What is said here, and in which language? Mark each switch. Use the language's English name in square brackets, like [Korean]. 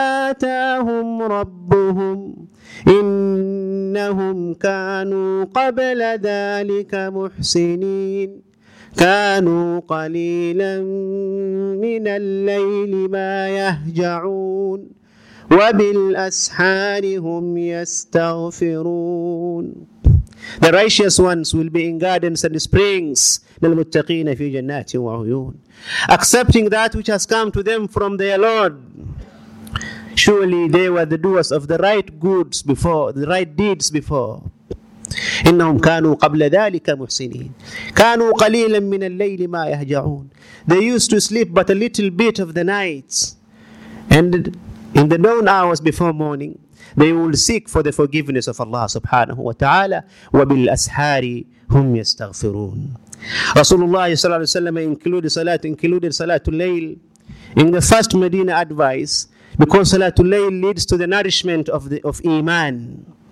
[Arabic] آتاهم ربهم إنهم كانوا قبل ذلك محسنين كانوا قليلا من الليل ما يهجعون وبالأسحار هم يستغفرون. [English] The righteous ones will be in gardens and springs. [Arabic] للمتقين في جنات وعيون. [English] Accepting that which has come to them from their Lord. Surely they were the doers of the right goods before, the right deeds before. [Arabic] إنهم كانوا قبل ذلك محسنين. كانوا قليلا من الليل ما يهجعون. [English] They used to sleep but a little bit of the night. And in the dawn hours before morning, they will seek for the forgiveness of Allah subhanahu wa ta'ala. [Arabic] وَبِالْأَسْحَارِ هُمْ يَسْتَغْفِرُونَ. [English] Rasulullah صلى الله عليه وسلم included Salatul Layl in the first Medina advice, because Salatul Layl leads to the nourishment of Iman.